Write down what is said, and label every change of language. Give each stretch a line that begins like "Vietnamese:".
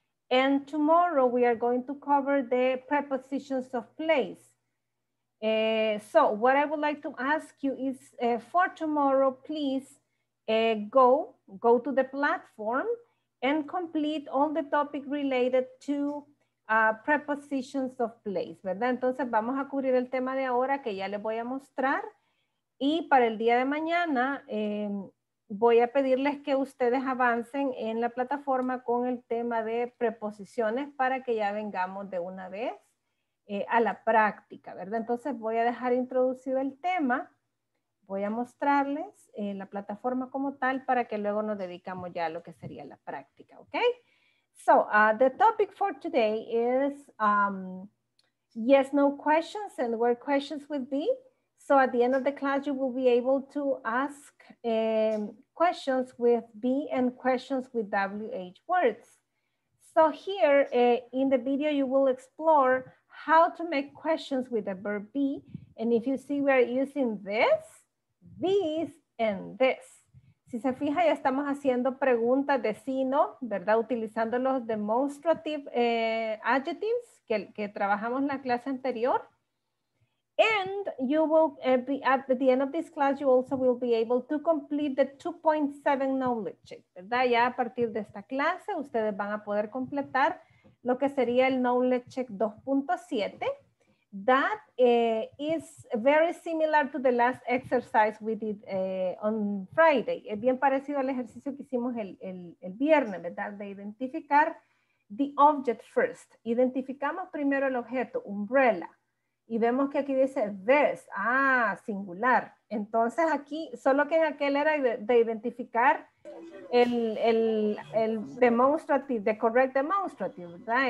English: And tomorrow we are going to cover the prepositions of place. So what I would like to ask you is for tomorrow, please go to the platform and complete all the topic related to prepositions of place, ¿verdad?
Spanish: Entonces vamos a cubrir el tema de ahora que ya les voy a mostrar. Y para el día de mañana, voy a pedirles que ustedes avancen en la plataforma con el tema de preposiciones para que ya vengamos de una vez a la práctica, ¿verdad? Entonces voy a dejar introducido el tema. Voy a mostrarles la plataforma como tal para que luego nos dedicamos ya a lo que sería la práctica, ¿ok?
English: So the topic for today is yes, no questions and where questions would be. So at the end of the class, you will be able to ask questions with B and questions with WH words. So here in the video, you will explore how to make questions with the verb be. And if you see, we're using this, these, and this.
Spanish: Si se fija, ya estamos haciendo preguntas de sí, no, ¿verdad? Utilizando los demonstrative adjectives que trabajamos en la clase anterior.
English: And you will be at the end of this class, you also will be able to complete the 2.7 knowledge check, ¿verdad?
Spanish: Ya a partir de esta clase, ustedes van a poder completar lo que sería el knowledge check 2.7.
English: That is very similar to the last exercise we did on Friday.
Spanish: Es bien parecido al ejercicio que hicimos el viernes, ¿verdad? De identificar
English: the object first.
Spanish: Identificamos primero el objeto, umbrella. Y vemos que aquí dice this, ah, singular. Entonces aquí, solo que en aquel era de identificar el demonstrative,
English: the correct demonstrative,
Spanish: ¿verdad?